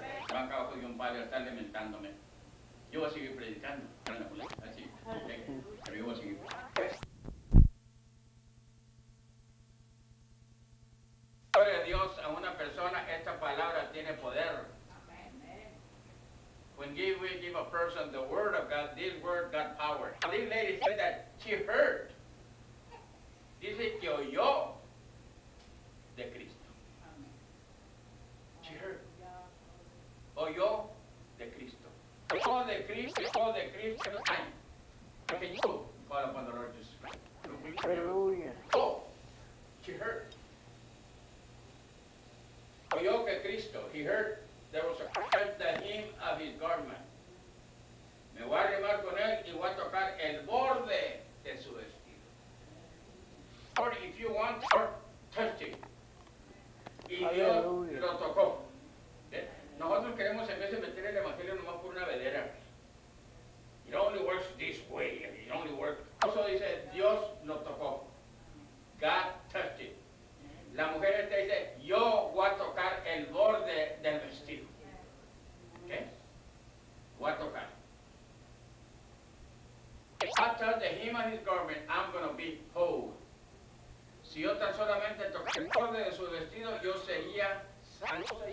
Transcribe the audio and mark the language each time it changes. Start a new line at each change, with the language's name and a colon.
Spanish: Yo acabo de un padre estar lamentándome. Yo voy a seguir predicando. Así. Pero yo voy a seguir predicando. Gloria a Dios, a una persona, esta palabra tiene poder.
English: When we give a person the word of God, this word got power. This lady said that she heard.
Spanish: Dice que oyó de Cristo.
English: She heard.
Spanish: Oyó de Cristo. Oyó de Cristo, oyó de Cristo.
English: Ay. Can you call upon the Lord Jesus Christ? Hallelujah. Oh, she heard.
Spanish: Oyó que Cristo,
English: he heard, there was a cut the hem of his garment.
Spanish: Me voy a arribar con él y voy a tocar el borde de su vestido.
English: Or if you want, or touch it.
Spanish: Y Dios lo tocó. Nosotros queremos en vez de meter el evangelio nomás por una vedera.
English: It only works this way. It only works. Also
Spanish: dice, Dios lo tocó.
English: God touched it.
Spanish: La mujer esta dice, yo voy a tocar el borde del vestido. ¿Ok? Voy a tocar.
English: If I touch the hem of his garment, I'm going to be whole.
Spanish: Si yo tan solamente tocar el borde de su vestido, yo sería sano.